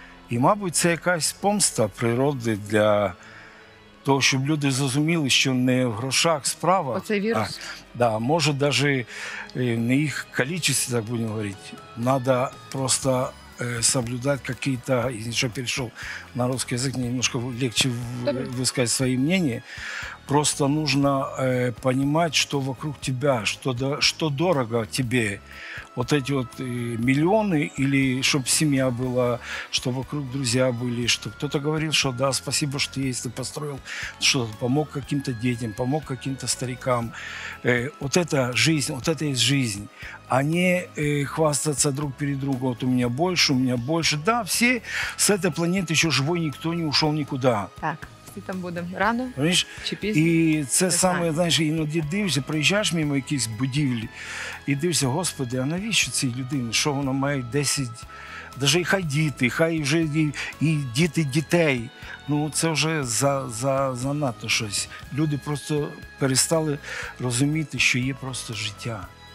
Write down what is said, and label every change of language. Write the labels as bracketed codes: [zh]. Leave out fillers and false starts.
[uk] І, мабуть, це якась помста природи для того, щоб люди зрозуміли, що не в грошах справа. Оцей вірус. Так, да, може навіть не їх калічиться, так будемо говорити. Треба просто соблюдати якісь, і якщо перейшов на російський язик, немножко легше висказати своє мнення. [ru] Просто нужно понимать, что вокруг тебя, что дорого тебе. вот эти вот миллионы, или чтобы семья была, чтобы вокруг друзья были, чтобы кто-то говорил, что да, спасибо, что есть, ты построил что-то, помог каким-то детям, помог каким-то старикам. Вот это жизнь, вот это есть жизнь. А не хвастаться друг перед другом, вот у меня больше. Да, все с этой планеты еще живой, никто не ушел никуда. [uk] Так. Там будемо рано, розумієш? І це саме, знаєш, іноді дивишся, приїжджаєш мимо якихось будівлі і дивишся, господи, а навіщо цій людині, що вона має 10, навіть хай діти, хай вже і діти дітей. Ну це вже занадто щось. Люди просто перестали розуміти, що є просто життя.